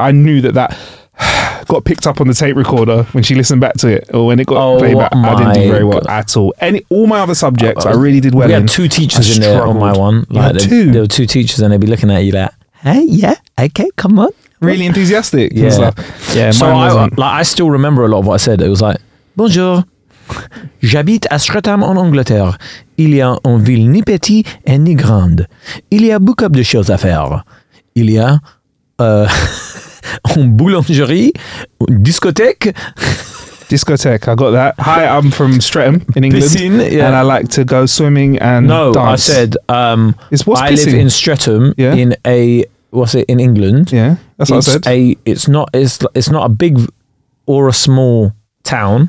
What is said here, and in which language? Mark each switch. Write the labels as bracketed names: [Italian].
[English] I knew that that got picked up on the tape recorder when she listened back to it, or when it got played back. I didn't do very well at all. All my other subjects, I really did well. We had two teachers in there on my one. Like, there were two teachers, and they'd be looking at you like, hey, yeah, okay, come on. Really enthusiastic. Yeah. And stuff. Yeah, so I still remember a lot of what I said. It was like, bonjour. [French] J'habite à Streatham en Angleterre. Il y a une ville ni petite et ni grande. Il y a beaucoup de choses à faire. Il y a une boulangerie, une discothèque. [English] Discothèque, I got that. Hi, I'm from Streatham in England. Piscine, yeah. And I like to go swimming and dance. No, I said, I live in Streatham in a, what's it, in England. Yeah, that's it's what I said. It's not a big or a small town.